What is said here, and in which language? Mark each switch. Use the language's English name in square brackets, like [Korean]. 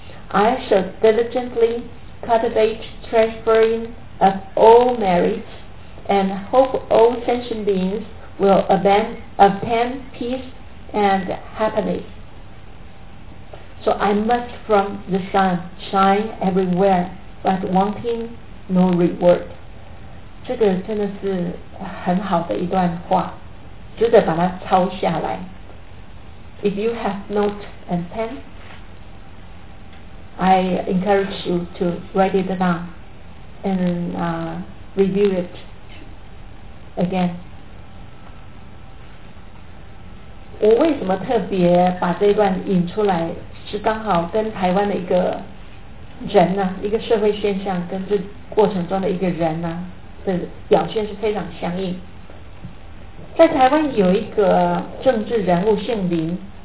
[English] I shall diligently cultivate transferring of all merits and hope all sentient beings will obtain peace and happiness. So I must from the sun shine everywhere but wanting no reward. [Chinese] 这个真的是很好的一段话，值得把它抄下来。 [English] If you have note and pen,I encourage you to write it down and review it again. [Chinese] 我为什么特别把这一段引出来，是刚好跟台湾的一个人呢、啊，一个社会现象跟这过程中的一个人呢、啊、的表现是非常相应。在台湾有一个政治人物姓林。